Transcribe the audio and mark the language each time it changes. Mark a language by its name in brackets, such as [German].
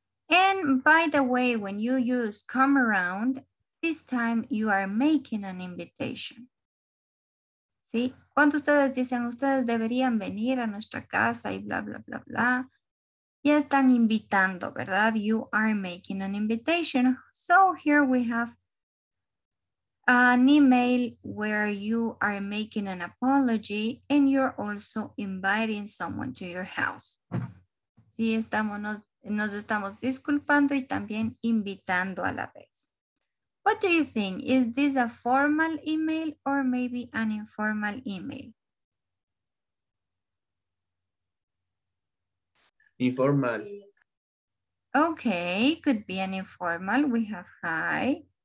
[English] And by the way, when you use come around, this time you are making an invitation. [Spanish] ¿Sí? Cuando ustedes dicen, ustedes deberían venir a nuestra casa y bla, bla, bla, bla. Ya están invitando, ¿verdad? [English] You are making an invitation. So here we have an email where you are making an apology and you're also inviting someone to your house. [Spanish] Sí, nos estamos disculpando y también invitando a la vez. [English] What do you think? Is this a formal email or maybe an informal email? Informal. Okay, could be an informal. We have hi.